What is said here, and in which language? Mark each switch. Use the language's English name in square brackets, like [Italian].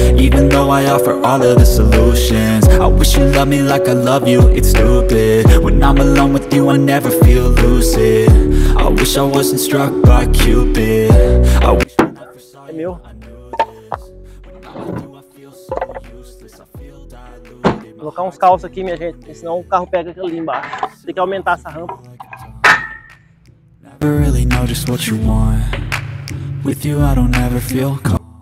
[English] Even though I offer all of the solutions. I wish you loved me like I love you, it's stupid. When I'm alone with you, I never feel lucid. I wish I wasn't struck by Cupid. I wish you never saw you, I knew this. When I'm with you, I feel so useless. I feel diluted. [Portuguese] Vou colocar uns calços aqui, minha gente, senão o carro pega ali embaixo. Tem que aumentar essa rampa. [English] Never really know just what you want. With you, I don't ever feel calm.